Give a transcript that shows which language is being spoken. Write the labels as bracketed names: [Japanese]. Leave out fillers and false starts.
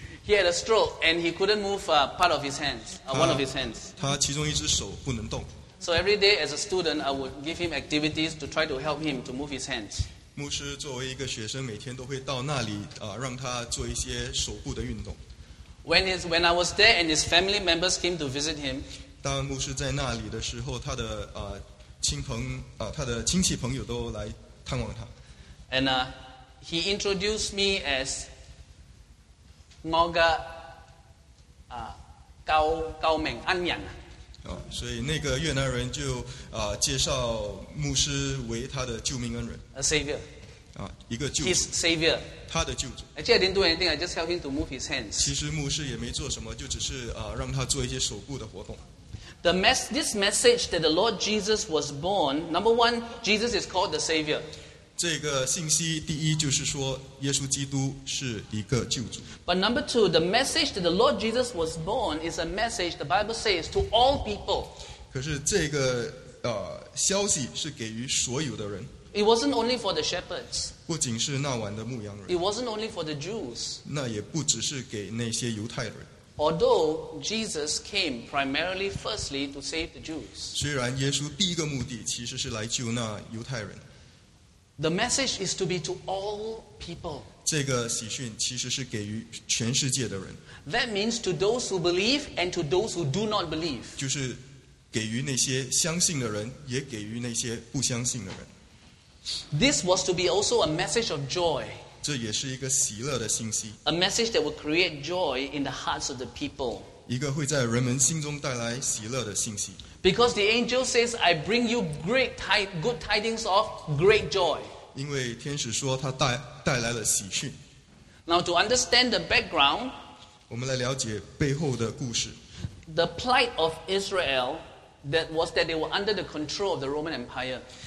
[English] He had a stroke and he couldn't move part of his hands, one of his hands. [Chinese] 他其中一只手不能动。 [English] So every day as a student, I would give him activities to try to help him to move his hands. [Chinese] 牧师作为一个学生, 每天都会到那里, 让他做一些手部的运动。 [English] When I was there and his family members came to visit him, [Chinese] 当牧师在那里的时候, 他的, 亲朋, 他的亲戚朋友都来探望他。 [English] And he introduced me as Moga Gao Meng Anyang. [Chinese] 所以那个越南人就 介绍牧师为他的救命恩人。 [English] A savior. [Chinese] 一个救主。 [English] His savior. [Chinese] 他的救主。 [English] Actually, I didn't do anything. I just helped him to move his hands. [Chinese] 其实牧师也没做什么, 就只是 让他做一些手部的活动。 [English] This message that the Lord Jesus was born, number one, Jesus is called the savior. [Chinese] 这个信息第一就是说耶稣基督是一个救主。 [English] But number two, the message that the Lord Jesus was born is a message, the Bible says, to all people. [Chinese] 可是这个 消息是给予所有的人。 [English] It wasn't only for the shepherds. [Chinese] 不仅是那晚的牧羊人。 [English] It wasn't only for the Jews. [Chinese] 那也不只是给那些犹太人。 [English] Although Jesus came primarily firstly to save the Jews. [Chinese] 虽然耶稣第一个目的其实是来救那犹太人。 [English] The message is to be to all people. [Chinese] 这个喜讯其实是给予全世界的人。 [English] That means to those who believe and to those who do not believe. [Chinese] 就是给予那些相信的人, 也给予那些不相信的人。 [English] This was to be also a message of joy. [Chinese] 这也是一个喜乐的信息。 [English] A message that would create joy in the hearts of the people. [Chinese] 一个会在人们心中带来喜乐的信息。 [English] Because the angel says, I bring you great good tidings of great joy. [Chinese] 因为天使说他带来了喜讯。 [English] Now to understand the background, [Chinese] 我们来了解背后的故事。 [English] The plight of Israel was that they were under the control of the Roman Empire.